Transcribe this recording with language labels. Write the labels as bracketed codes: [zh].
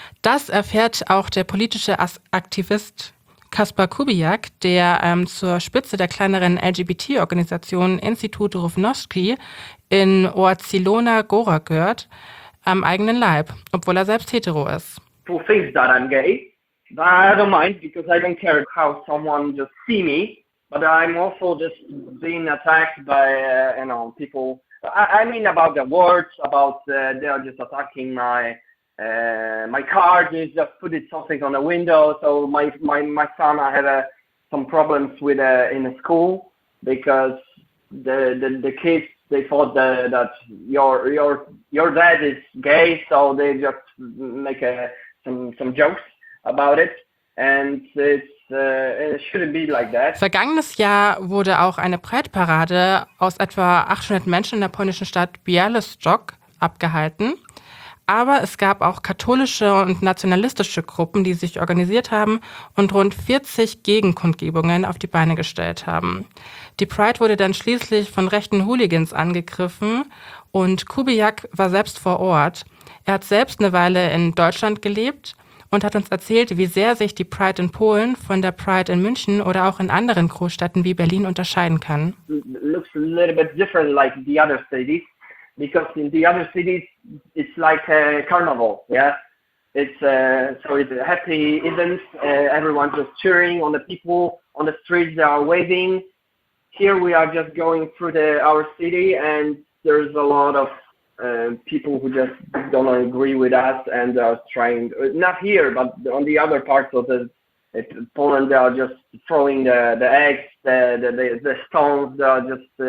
[de] Das erfährt auch der politische Aktivist Kaspar Kubiak, der zur Spitze der kleineren LGBT-Organisation Instytut Równości in Oaxilona Góra gehört, am eigenen Leib, obwohl er selbst hetero ist. [en] Who thinks that I'm gay? I don't mind, because I don't care how someone just see me, but I'm also just being attacked by, people. I mean about the words, about they are just attacking my car, they just put it something on the window. So my son, I had some problems with in the school because the kids, they thought that your dad is gay, so they just make some jokes about it, and it shouldn't be like that. [de] Vergangenes Jahr wurde auch eine Pride-Parade aus etwa 800 Menschen in der polnischen Stadt Białystok abgehalten. Aber es gab auch katholische und nationalistische Gruppen, die sich organisiert haben und rund 40 Gegenkundgebungen auf die Beine gestellt haben. Die Pride wurde dann schließlich von rechten Hooligans angegriffen und Kubiak war selbst vor Ort. Er hat selbst eine Weile in Deutschland gelebt und hat uns erzählt, wie sehr sich die Pride in Polen von der Pride in München oder auch in anderen Großstädten wie Berlin unterscheiden kann. [en] Looks a little bit different like the other cities. Because in the other cities, it's like a carnival, yeah? It's a happy event, everyone just cheering on the people, on the streets they are waving. Here we are just going through our city and there's a lot of people who just don't agree with us and are trying, not here, but on the other parts of Poland, they are just throwing the eggs, the stones, they are just...